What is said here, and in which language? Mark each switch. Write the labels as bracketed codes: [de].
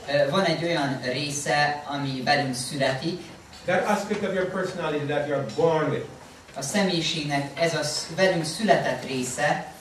[hu] Van egy olyan része, ami velünk születik. [en] That aspect of your personality that you are born with. [hu] A személyiségnek ez a velünk született része.